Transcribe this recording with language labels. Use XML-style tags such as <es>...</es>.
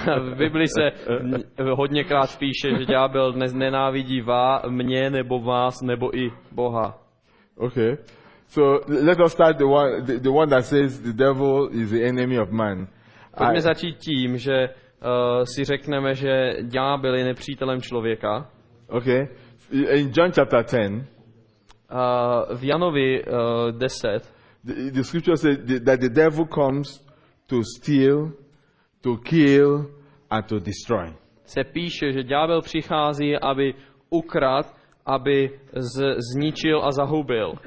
<cs>V Biblii se hodněkrát píše, že ďábel nenávidí mě nebo vás nebo i Boha.</cs> <en>Okay. So let us start the one that says the devil is the enemy of man.</en> <cs>Pojďme začít tím, že si řekneme, že ďábel je nepřítelem člověka.</cs> <en>Okay. In John chapter 10.</en> <cs>V Janovi 10.</cs> <en>The scripture says that the devil comes to steal, to kill and to destroy.</en> <cs>Se píše, že ďábel přichází, aby ukradl, aby zničil a zahubil.</cs>